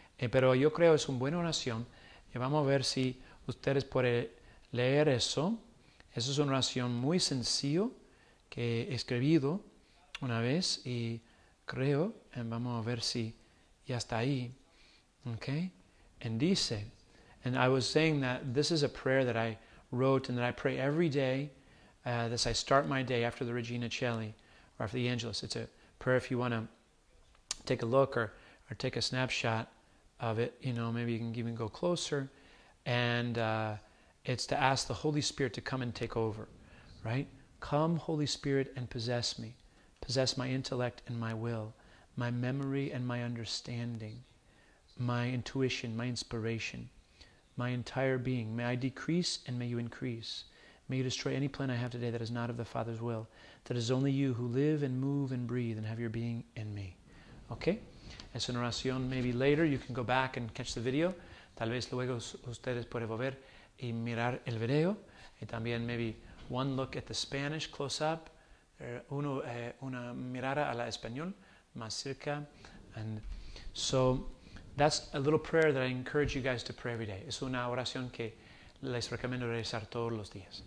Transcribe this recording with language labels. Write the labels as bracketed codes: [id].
[es] Pero yo creo que es una buena oración. Y vamos a ver si ustedes pueden leer eso. Esa es una oración muy sencilla que he escribido una vez. Y creo, vamos a ver si ya está ahí. ¿Ok? [en] And dice, and I was saying that this is a prayer that I wrote and that I pray every day as I start my day after the Regina Celi or after the Angelus. It's a prayer if you want to take a look or or take a snapshot of it, you know, maybe you can even go closer, and it's to ask the Holy Spirit to come and take over, right? Come, Holy Spirit, and possess me. Possess my intellect and my will, my memory and my understanding, my intuition, my inspiration, my entire being. May I decrease and may you increase. May you destroy any plan I have today that is not of the Father's will, that is only you who live and move and breathe and have your being in me. Okay? [es] Es una oración. [en] Maybe later you can go back and catch the video. [es] Tal vez luego ustedes pueden volver y mirar el video. Y también [en] maybe one look at the Spanish close up. [es] Una mirada a la español más cerca. [en] And so that's a little prayer that I encourage you guys to pray every day. [es] Es una oración que les recomiendo rezar todos los días.